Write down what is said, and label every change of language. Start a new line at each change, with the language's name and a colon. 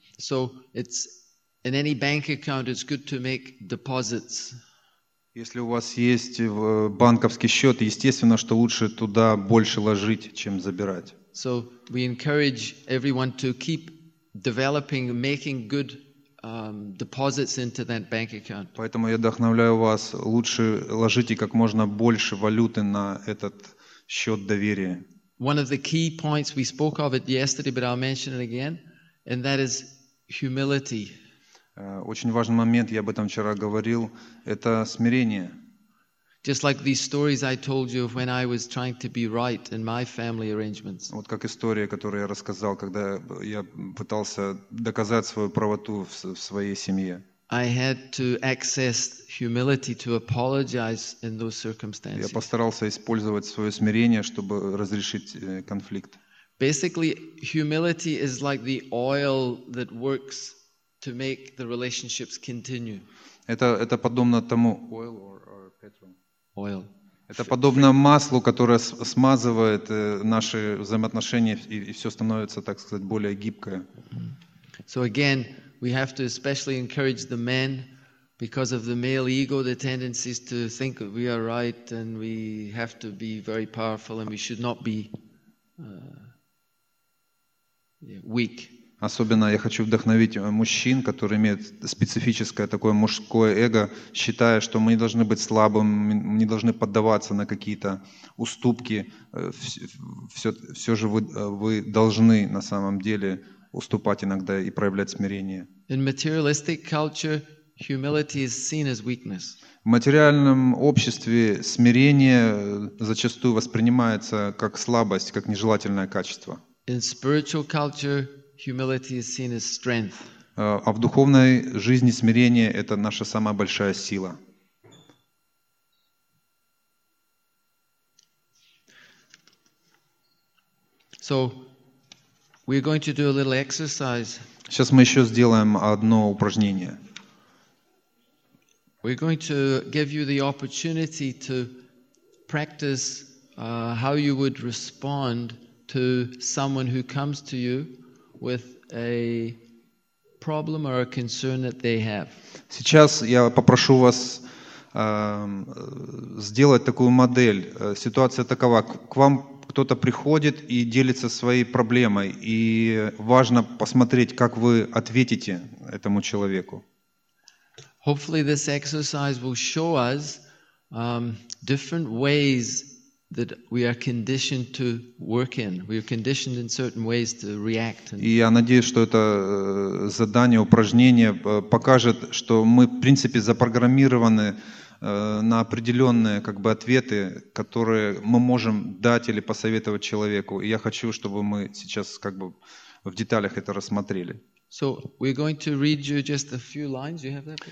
English: So it's in any bank account, it's good to make deposits.
Russian: Если у вас есть банковский счет, естественно, что лучше туда больше ложить, чем забирать.
English: So we encourage everyone to keep developing, making good deposits into that bank account.
Russian: Поэтому я вдохновляю вас, лучше ложите как можно больше валюты на этот счет доверия.
English: one of the key points, we spoke of it yesterday, but I'll mention it again, and that is humility.
Russian: Очень важный момент, я об этом вчера говорил, это смирение.
English: Just like these stories I told you of when I was trying to be right in my family arrangements.
Russian: Вот как история, которую я рассказал, когда я пытался доказать свою правоту в своей семье.
English: I had to access humility to apologize in those circumstances.
Russian: Я постарался использовать свое смирение, чтобы разрешить конфликт.
English: Basically, humility is like the oil that works to make the relationships continue.
Russian: Это подобно тому.
English: Oil or petrol? Oil.
Russian: Это подобно маслу, которое смазывает наши взаимоотношения и все становится, так сказать, более гибкое.
English: So again, we have to especially encourage the men because of the male ego, the tendencies to think that we are right and we have to be very powerful and we should not be weak.
Russian: Особенно я хочу вдохновить мужчин, которые имеют специфическое такое мужское эго, считая, что мы не должны быть слабыми, не должны поддаваться на какие-то уступки. Все же вы должны на самом деле уступать иногда и проявлять смирение.
English: In materialistic culture, humility is seen as weakness.
Russian: В материальном обществе смирение зачастую воспринимается как слабость, как нежелательное качество.
English: In spiritual culture, humility is seen as strength.
Russian: А в духовной жизни смирение – это наша самая большая сила.
English: So, we're going to do a little exercise.
Russian: Сейчас мы еще сделаем одно упражнение.
English: We're going to give you the opportunity to practice how you would respond to someone who comes to you with a problem or a concern that they have.
Russian: Сейчас я попрошу вас сделать такую модель. Ситуация такова: к вам кто-то приходит и делится своей проблемой, и важно посмотреть, как вы ответите этому человеку.
English: Hopefully this exercise will show us different ways that we are conditioned to work in. We are conditioned in certain ways to react.
Russian: И я надеюсь, что это задание, упражнение покажет, что мы, в принципе, запрограммированы на определенные как бы ответы, которые мы можем дать или посоветовать человеку. И я хочу, чтобы мы сейчас как бы в деталях это рассмотрели.
English: So we're going to read you just a few lines. You have that?